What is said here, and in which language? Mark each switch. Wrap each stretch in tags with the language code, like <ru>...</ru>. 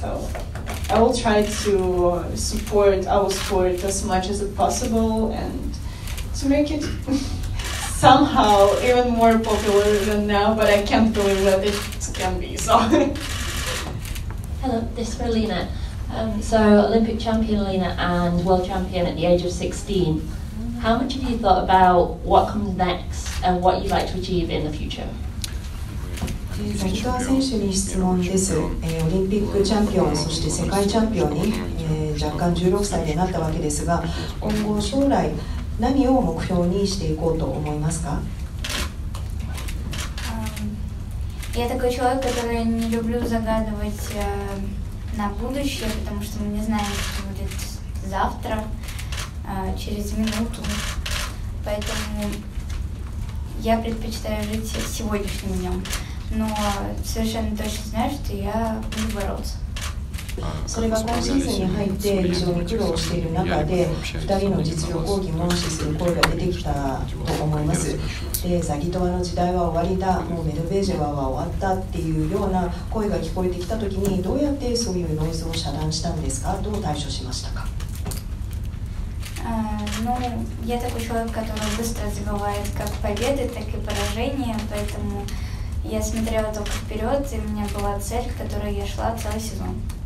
<en>So I will try to support our sport as much as possible and to make it somehow even more popular than now, but I can't believe that it can be, so. Hello, this is for Lena. So Olympic champion Lena and world champion at the age of 16. How much have you thought about what comes next and what you'd like to achieve in the future?</en> <ja>先ほど選手に質問です、オリンピックチャンピオン、そして世界チャンピオンに、若干16歳でなったわけですが、今後将来何を目標にしていこうと思いますか？</ja> <ru>Я такой человек, который не люблю загадывать на будущее, потому что мы не знаем, что будет завтра, через минуту. Поэтому я предпочитаю жить сегодняшним днем. Но совершенно точно знаю, что я буду бороться.</ru> <ja>それが今シーズンに入って非常に苦労している中で2人の実力を疑問視する声が出てきたと思います。でザギトワの時代は終わりだ、もうメドベージェワは終わったっていうような声が聞こえてきた時にどうやってそういうノイズを遮断したんですか、どう対処しましたか。</ja> <ru>Ну, я такой человек, который быстро забывает как победы, так и поражения, поэтому я смотрела только вперед, и у меня была цель, к которой я шла целый сезон.</ru>